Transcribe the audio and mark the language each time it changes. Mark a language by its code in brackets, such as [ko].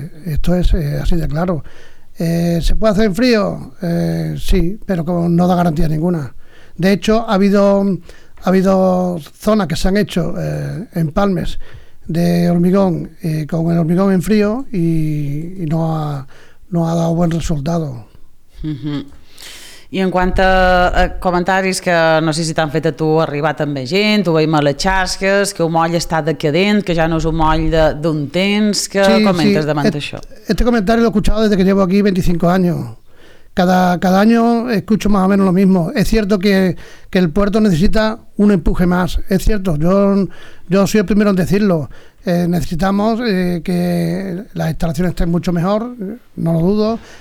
[es] Esto es así de claro. ¿Se puede hacer en frío? Sí, pero no da garantía ninguna. De hecho, ha habido zonas que se han hecho empalmes de hormigón con el hormigón en frío y no ha dado buen resultado. Uh-huh. [ca] I en quant a comentaris que no sé si t'han fet a tu arribar també gent, ho veiem a les xarxes, que un moll està decadent, que ja no és un moll d'un temps, que sí, comentes sí. Davant d'això. [es] Este comentario lo he escuchado desde que llevo aquí 25 años. Cada año escucho más o menos lo mismo. Es cierto que el puerto necesita un empuje más. Es cierto, yo soy el primero en decirlo. Necesitamos que las instalaciones estén mucho mejor, no lo dudo.